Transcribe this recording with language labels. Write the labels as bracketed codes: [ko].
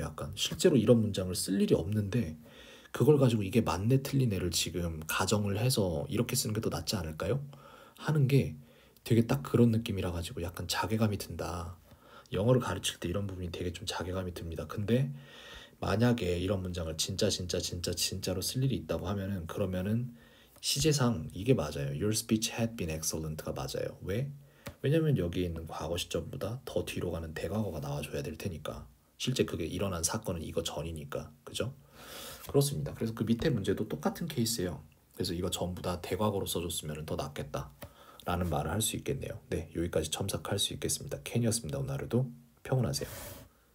[ko] 약간 실제로 이런 문장을 쓸 일이 없는데. 그걸 가지고 이게 맞네 틀리네를 지금 가정을 해서 이렇게 쓰는 게더 낫지 않을까요? 하는 게 되게 딱 그런 느낌이라 가지고 약간 자괴감이 든다. 영어를 가르칠 때 이런 부분이 되게 좀 자괴감이 듭니다. 근데 만약에 이런 문장을 진짜 진짜 진짜 진짜로 쓸 일이 있다고 하면은 그러면은 시제상 이게 맞아요. [en] Your speech had been excellent가 [ko] 맞아요. 왜? 왜냐면 여기 있는 과거 시점보다 더 뒤로 가는 대과거가 나와줘야 될 테니까. 실제 그게 일어난 사건은 이거 전이니까. 그죠? 그렇습니다. 그래서 그 밑에 문제도 똑같은 케이스예요. 그래서 이거 전부 다 대과거로 써줬으면 더 낫겠다라는 말을 할수 있겠네요. 네, 여기까지 첨삭할 수 있겠습니다. 켄이었습니다. 오늘 하루도 평온하세요.